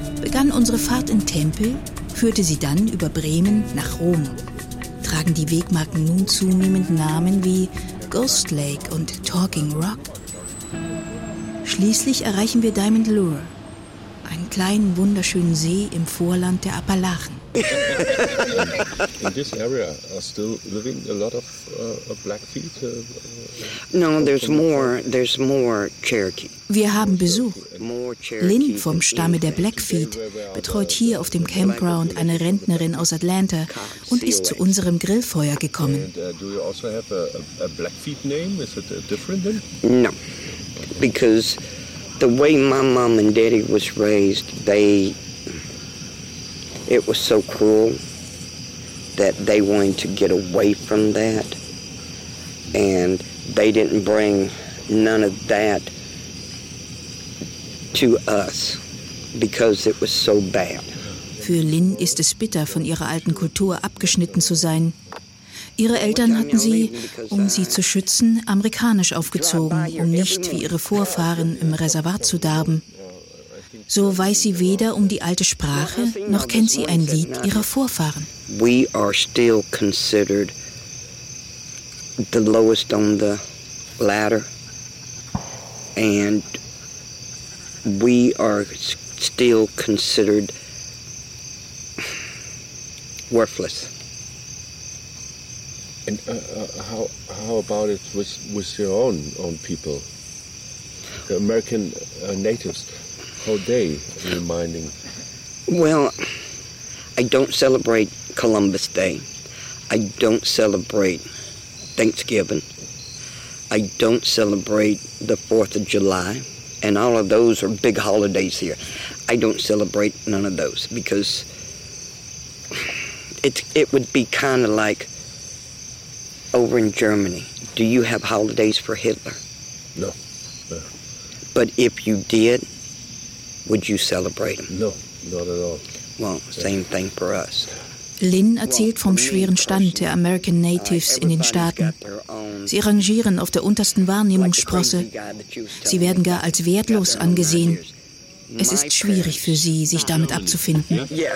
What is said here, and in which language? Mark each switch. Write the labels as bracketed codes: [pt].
[de] Begann unsere Fahrt in Tempel, führte sie dann über Bremen nach Rom. Tragen die Wegmarken nun zunehmend Namen wie Ghost Lake und Talking Rock? Schließlich erreichen wir Diamond Lure, einen kleinen wunderschönen See im Vorland der Appalachen. [en] In this area are still living a lot of Blackfeet. No, there's more Cherokee. [de] Wir haben Besuch. Lynn vom Stamme der Blackfeet betreut hier auf dem Campground eine Rentnerin aus Atlanta und ist zu unserem Grillfeuer gekommen. [en] Do you also have a Blackfeet name? Is it different then? No, because the way my mom and daddy was raised, it was so cruel that they wanted to get away from that, and they didn't bring none of that to us because it was so bad. [de] Für Lynn ist es bitter, von ihrer alten Kultur abgeschnitten zu sein. Ihre Eltern hatten sie, um sie zu schützen, amerikanisch aufgezogen, um nicht wie ihre Vorfahren im Reservat zu darben. So weiß sie weder um die alte Sprache, noch kennt sie ein Lied ihrer Vorfahren. [en] We are still considered the lowest on the ladder, and we are still considered worthless. And how about it with your own people, the American natives? How are they reminding? Well, I don't celebrate Columbus Day. I don't celebrate Thanksgiving. I don't celebrate the 4th of July. And all of those are big holidays here. I don't celebrate none of those because it would be kind of like over in Germany. Do you have holidays for Hitler? No. But if you did, would you celebrate him? No, not at all. Well, same thing for us. [de] Lynn erzählt vom schweren Stand der American Natives in den Staaten. Sie rangieren auf der untersten Wahrnehmungssprosse. Sie werden gar als wertlos angesehen. Es ist schwierig für sie, sich damit abzufinden.